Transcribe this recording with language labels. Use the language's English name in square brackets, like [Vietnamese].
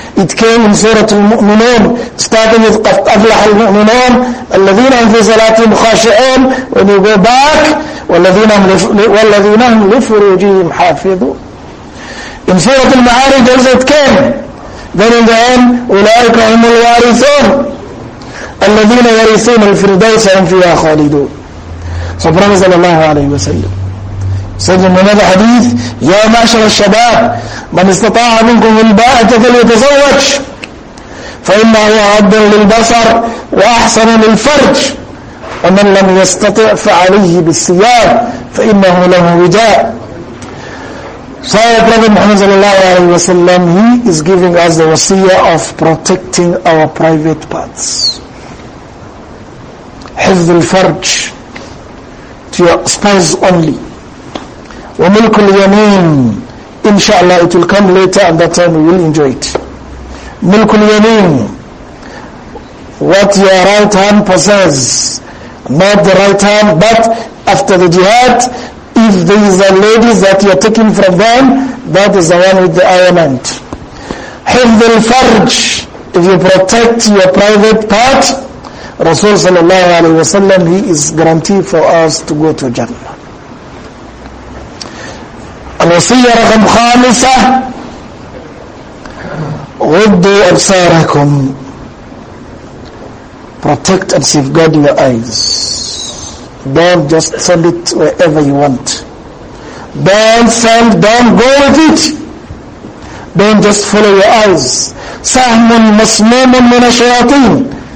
[English] It came in Surah Al-Mu'minun, starting with [Arabic] قَدْ أَفْلَحَ الْمُؤْمِنُونَ الَّذِينَ هُمْ فِي صَلَاتِهِمْ خَاشِعُونَ. [English] When you go back, [Arabic] وَالَّذِينَ هُمْ لِفُرُوجِهِمْ حَافِظُونَ. [English] In Surah Al-Ma'arij also it came. Then in the end, [Arabic] أُولَٰئِكَ هُمُ الْوَارِثُونَ الَّذِينَ يَرِثُونَ الْفِرْدَوْسَ هُمْ فِيهَا خَالِدُونَ. [English] So Prophet [Arabic] صلى الله عليه وسلم [English] said in another hadith, [Arabic] يَا مَعْشَرَ الشَّبَابِ مَنْ اسْتَطَاعَ مِنْكُمُ الْبَاءَةَ فَلْيَتَزَوَّجْ فَإِنَّهُ أَعَدٌّ لِلْبَصَرِ وَأَحْسَنُ لِلْفَرْجِ وَمَنْ لَمْ يَسْتَطِعْ فَعَلَيْهِ بِالصِّيَامِ فَإِنَّهُ لَهُ وِجَاءٌ. [English] So Prophet Muhammad sallallahu alayhi wa sallam, he is giving us the wasiyah of protecting our private parts. [Arabic] حفظ الفرج, [English] to your spouse only. [Arabic] وملك اليمين, [English] inshallah it will come later and that time we will enjoy it. [Arabic] ملك اليمين, [English] what your right hand possesses, not the right hand, but after the jihad, if there is a lady that you are taking from them, that is the one with the ailment. [Arabic] حفظ الفرج, [English] if you protect your private part, Rasul sallallahu alayhi wa sallam, he is guaranteed for us to go to Jannah. [Arabic] وصية رقم خامسة غضوا أبصاركم. [English] Protect and safeguard your eyes. Don't just send it wherever you want. Don't send, don't go with it. Don't just follow your eyes. [Arabic] سهم مسموم من الشياطين.